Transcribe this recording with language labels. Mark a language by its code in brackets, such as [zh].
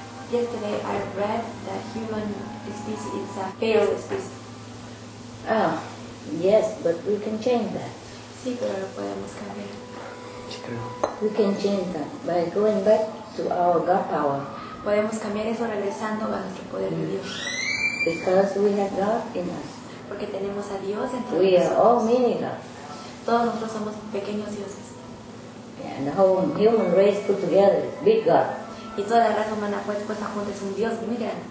[en] Yesterday I read that human species is a failed species. Ah, yes, but we can change that. [es] Sí, pero lo podemos cambiar. Sí, creo. [en] We can change that by going back to our God power. [es] Podemos cambiar eso regresando a nuestro poder de Dios. [en] Because we have God in us. [es] Porque tenemos a Dios entre [en] we We are all mini gods. [es] Todos nosotros somos pequeños dioses. [en] And the whole human race put together is big God. [es] Y toda la raza humana puesta junta es un Dios muy grande.